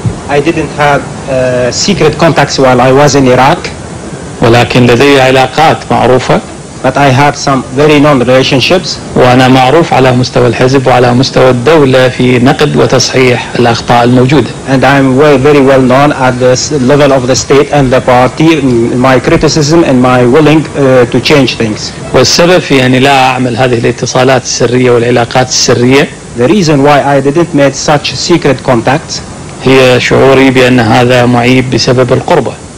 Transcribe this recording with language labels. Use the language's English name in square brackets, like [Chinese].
[English] I didn't have secret contacts while I was in Iraq. [Arabic] ولكن لدي علاقات معروفة. [English] But I have some very known relationships. [Arabic] وأنا معروف على مستوى الحزب وعلى مستوى الدولة في نقد وتصحيح الأخطاء الموجودة. [English] And I'm very well known at the level of the state and the party in my criticism and my willing to change things. [Arabic] والسبب في أني لا أعمل هذه الاتصالات السرية والعلاقات السرية. [English] The reason why I didn't make such secret contacts. [Arabic] هي شعوري بأن هذا معيب بسبب القربة.